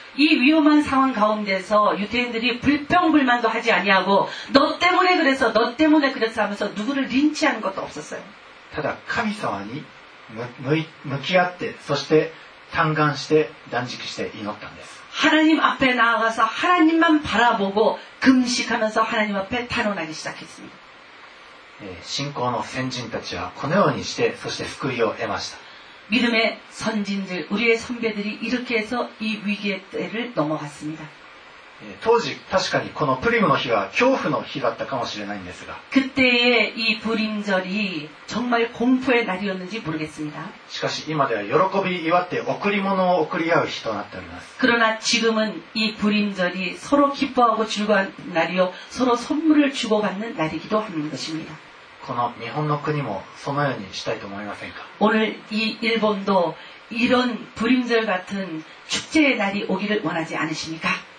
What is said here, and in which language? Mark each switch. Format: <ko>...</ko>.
<ko>이위험한상황가운데서유대인들이불평불만도하지아니하고너때문에그래서너때문에그랬어하면서누구를린치하는것도없었어요</ko> <ja>ただ神様に向き合ってそして嘆願して断食して祈ったんです</ja> <ko>하나님앞에나아가서하나님만바라보고금식하면서하나님앞에탄원하기시작했습니다</ko> <ja>信仰の先人たちはこのようにしてそして救いを得ました</ja> <ko>믿음의선진들우리의선배들이이렇게해서이위기의때를넘어갔습니다</ko> <ja>当時確かにこのプリムの日は恐怖の日だったかもしれないんですが</ja> <ko>그때의이부림절이정말공포의날이었는지모르겠습니다</ko> <ja>しかし今では喜び祝って贈り物を贈り合う日となっております</ja> <ko>그러나지금은이부림절이서로기뻐하고즐거운날이요서로선물을주고받는날이기도하는것입니다</ko> <ja>この日本の国もそのようにしたいと思いませんか</ja> <ko>오늘이일본도이런부림절같은축제의날이오기를원하지않으십니까</ko>